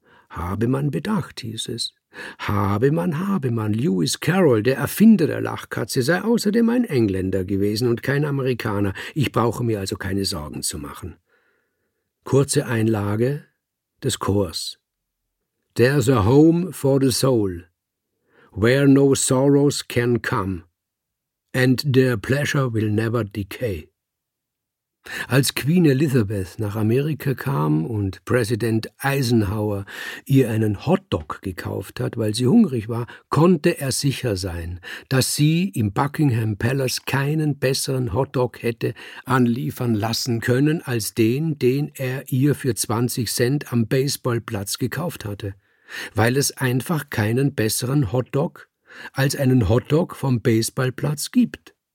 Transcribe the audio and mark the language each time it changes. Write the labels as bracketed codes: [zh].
[de] Habe man bedacht, hieß es. Habe man. Lewis Carroll, der Erfinder der Lachkatze, sei außerdem ein Engländer gewesen und kein Amerikaner. Ich brauche mir also keine Sorgen zu machen. Kurze Einlage des Chors. [en] There's a home for the soul, where no sorrows can come. And their pleasure will never decay. [de] Als Queen Elizabeth nach Amerika kam und Präsident Eisenhower ihr einen Hotdog gekauft hat, weil sie hungrig war, konnte er sicher sein, dass sie im Buckingham Palace keinen besseren Hotdog hätte anliefern lassen können als den, den er ihr für 20 Cent am Baseballplatz gekauft hatte, weil es einfach keinen besseren Hotdog als einen Hotdog vom Baseballplatz gibt.